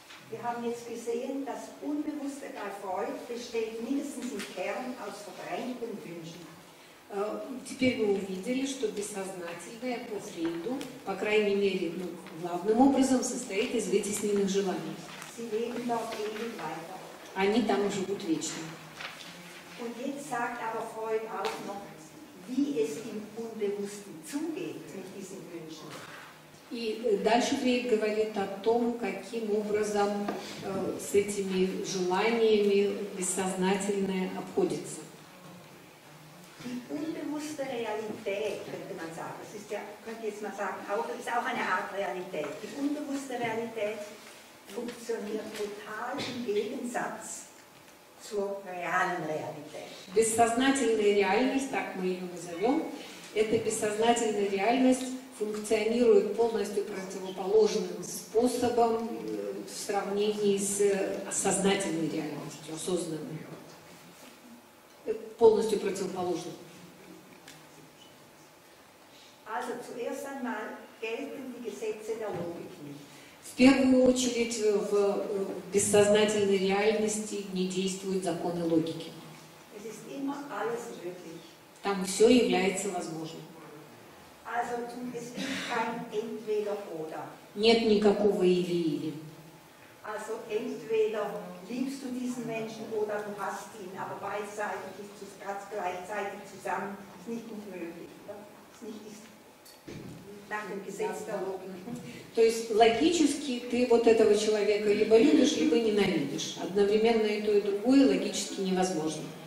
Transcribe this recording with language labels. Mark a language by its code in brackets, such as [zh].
[de] Wir haben jetzt gesehen, dass Unbewusstes bei Freud besteht mindestens im Kern aus verdrängten Wünschen. [ru] Теперь мы увидели, что бессознательное по Фрейду, по крайней мере, главным образом состоит из вытесненных желаний. [de] Sie leben dort ewig weiter. [ru] Они там живут вечно. [de] Und jetzt sagt aber Freud auch noch, wie es im Unbewussten zugeht mit diesen Wünschen. [ru] И дальше Фрейд говорит о том, каким образом с этими желаниями бессознательное обходится. [de] Die unbewusste Realität, könnte man sagen, das ist ja, könnte jetzt mal sagen, auch, ist auch eine Art Realität. Die unbewusste Realität funktioniert total im Gegensatz zur realen Realität. [ru] Бессознательная реальность, так мы ее назовем, это бессознательная реальность, функционирует полностью противоположным способом в сравнении с сознательной реальностью, осознанной. Полностью противоположным. [de] Also, zuerst einmal gelten die Gesetze der Logik nicht. [ru] В первую очередь в бессознательной реальности не действуют законы логики. [de] Es ist immer alles möglich. [ru] Там все является возможным. [de] Also, es gibt kein Entweder-Oder. [ru] Нет никакого или-или. [de] Also, entweder liebst du diesen Menschen oder du hast ihn, aber beidseitig ist es ganz gleichzeitig zusammen, ist nicht unmöglich. Oder? Ist nicht, ist, [ru] То есть логически ты вот этого человека либо любишь, либо ненавидишь. Одновременно и то, и другое логически невозможно.